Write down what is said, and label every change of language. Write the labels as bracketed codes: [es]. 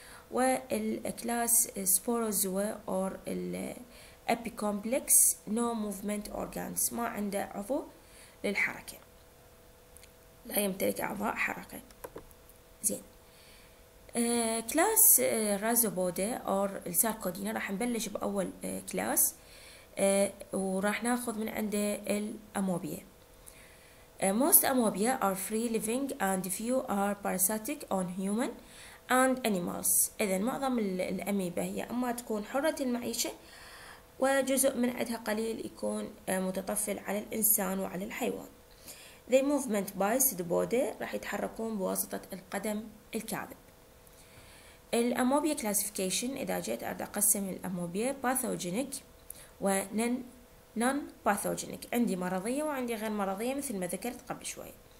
[ar] والكلاس سبوروزوا أو الأبيكومبلكس [en] no movement organs, [ar] ما عنده عضو للحركة، لا يمتلك أعضاء حركة. زين، كلاس رازوبودا أو الساركودينا راح نبلش بأول كلاس، وراح ناخذ من عنده الأموبيا. [en] Most amoeba are free living and few are parasitic on human and animals. [ar] إذن معظم الأميبا هي أما تكون حرة المعيشة، وجزء من عدها قليل يكون متطفل على الإنسان وعلى الحيوان. [en] They movement by pseudobody، [ar] راح يتحركون بواسطة القدم الكاذب. الأموبيا classification، إذا جيت أريد أقسم الأموبيا pathogenic و non pathogenic، عندي مرضية وعندي غير مرضية مثل ما ذكرت قبل شوي.